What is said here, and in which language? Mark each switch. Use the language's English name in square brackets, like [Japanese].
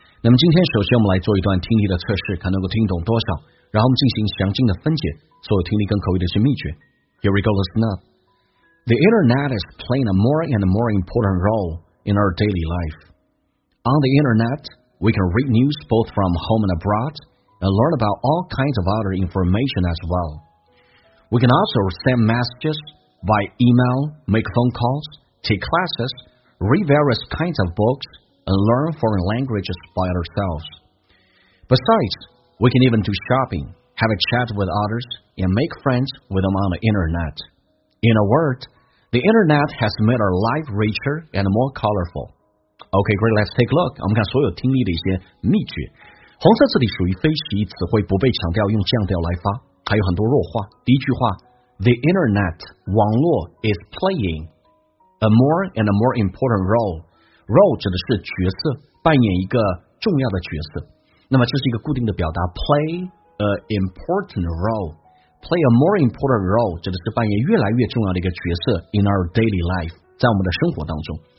[Chinese] 那么今天首先我们来做一段听力的测试，看能够听懂多少，然后我们进行详尽的分解所有听力跟口语的一些秘诀。 [English] Here we go, listen up. The internet is playing a more and more important role in our daily life. On the internet, we can read news both from home and abroad and learn about all kinds of other information as well. We can also send messagesby email, make phone calls, take classes, read various kinds of books, and learn foreign languages by ourselves. Besides, we can even do shopping, have a chat with others, and make friends with them on the internet. In a word, the internet has made our life richer and more colorful. Okay, great, let's take a look. [Chinese] 我们看所有听力的一些秘诀。红色字体属于非习词汇，不被强调，用降调来发，还有很多弱化。第一句话， [English] The internet, 网络 is playing a more and a more important role. [Chinese] Role 指的是角色，扮演一个重要的角色。那么这是一个固定的表达， [English] play a important role. Play a more important role [Chinese] 指的是扮演越来越重要的一个角色 [English] in our daily life, [Chinese] 在我们的生活当中。